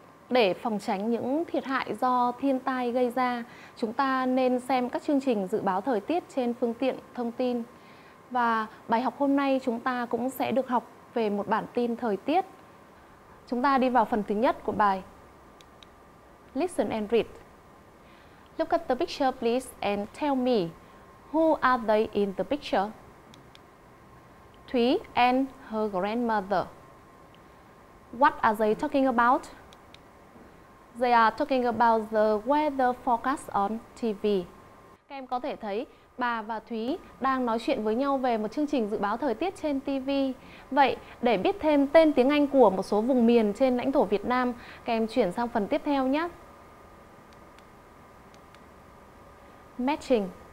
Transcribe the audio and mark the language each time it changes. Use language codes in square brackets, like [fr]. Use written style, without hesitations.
[vi] Để phòng tránh những thiệt hại do thiên tai gây ra, chúng ta nên xem các chương trình dự báo thời tiết trên phương tiện thông tin. Và bài học hôm nay chúng ta cũng sẽ được học về một bản tin thời tiết. Chúng ta đi vào phần thứ nhất của bài. [en] Listen and read. Look at the picture please and tell me who are they in the picture? Thúy and her grandmother. What are they talking about? They are talking about the weather forecast on TV. [vi] Các em có thể thấy bà và Thúy đang nói chuyện với nhau về một chương trình dự báo thời tiết trên TV. Vậy, để biết thêm tên tiếng Anh của một số vùng miền trên lãnh thổ Việt Nam, các em chuyển sang phần tiếp theo nhé. [en] Matching.